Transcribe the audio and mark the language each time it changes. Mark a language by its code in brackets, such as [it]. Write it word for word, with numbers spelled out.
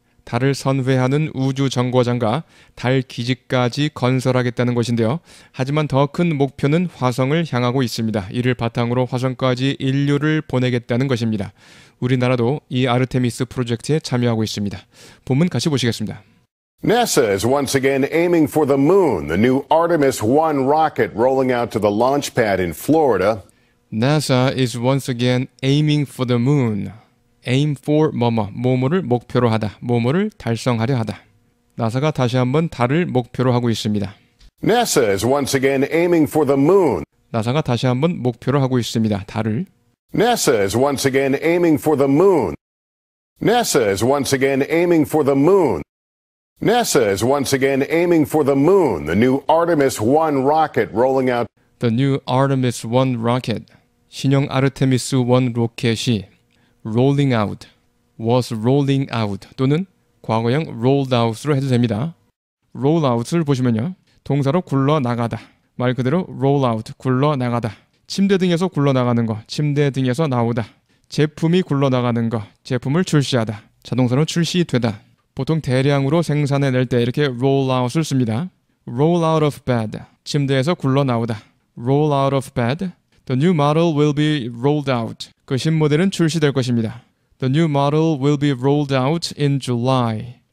[ko] 달을 선회하는 우주 정거장과 달 기지까지 건설하겠다는 것인데요. 하지만 더 큰 목표는 화성을 향하고 있습니다. 이를 바탕으로 화성까지 인류를 보내겠다는 것입니다. 우리나라도 이 아르테미스 프로젝트에 참여하고 있습니다. 본문 같이 보시겠습니다. [en] NASA is once again aiming for the moon. The new Artemis one rocket rolling out to the launch pad in Florida. NASA is once again aiming for the moon. [ko] aim for 뭐뭐, 뭐뭐를 목표로 하다, 뭐뭐를 달성하려 하다. 나사가 다시 한번 달을 목표로 하고 있습니다. [en] NASA is once again aiming for the moon. [ko] 나사가 다시 한번 목표로 하고 있습니다. 달을. [en] NASA is once again aiming for the moon. NASA is once again aiming for the moon. NASA is once again aiming for the moon. The new Artemis one rocket rolling out. The new Artemis one rocket. [ko] 신형 아르테미스 원 로켓이 [en] rolling out, was rolling out [ko] 또는 과거형 [en] rolled out로 [ko] 해도 됩니다. roll out을 보시면요. 동사로 굴러나가다. 말 그대로 roll out, 굴러나가다. 침대 등에서 굴러나가는 거, 침대 등에서 나오다. 제품이 굴러나가는 거, 제품을 출시하다. 자동사로 출시되다. 보통 대량으로 생산해낼 때 이렇게 roll out을 씁니다. [en] roll out of bed, [ko] 침대에서 굴러나오다. [en] roll out of bed. The new model will be rolled out. [ko] 그 신모델은 출시될 것입니다. [en] The new model will be rolled out in July.